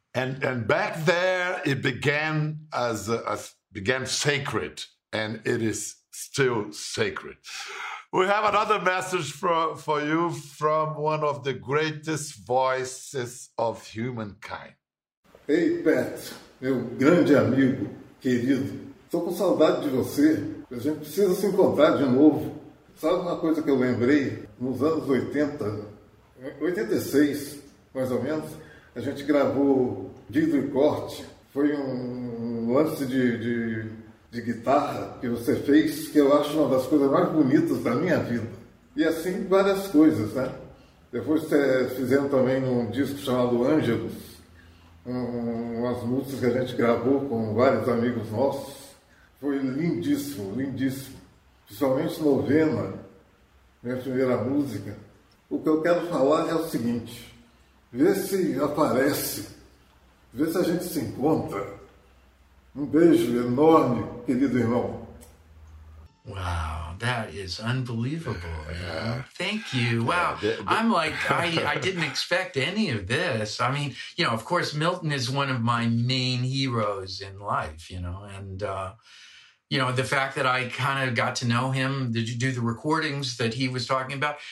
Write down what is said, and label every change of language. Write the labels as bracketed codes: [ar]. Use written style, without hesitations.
[en] And back there, it began began sacred, and it is still sacred. We have another message for you from one of the greatest voices of humankind. [pt] Hey, Pat, meu grande amigo, querido. Estou com saudade de você. A gente precisa se encontrar de novo. Sabe uma coisa que eu lembrei? Nos anos 80, 86, mais ou menos, a gente gravou Dido e Corte. Foi um lance de guitarra que você fez, que eu acho uma das coisas mais bonitas da minha vida. E assim, várias coisas, né? Depois fizemos também um disco chamado Ângelos, umas músicas que a gente gravou com vários amigos nossos. Foi lindíssimo, lindíssimo. Principalmente Novena, minha primeira música. O que eu quero falar é o seguinte. Vê se aparece. Vê se a gente se encontra. Um beijo enorme, querido irmão. [en] Wow, that is unbelievable. Yeah. Thank you. Wow. Yeah, I'm like, I didn't expect any of this. I mean, you know, of course, Milton is one of my main heroes in life, you know, and... you know, the fact that I kind of got to know him, did you do the recordings that he was talking about?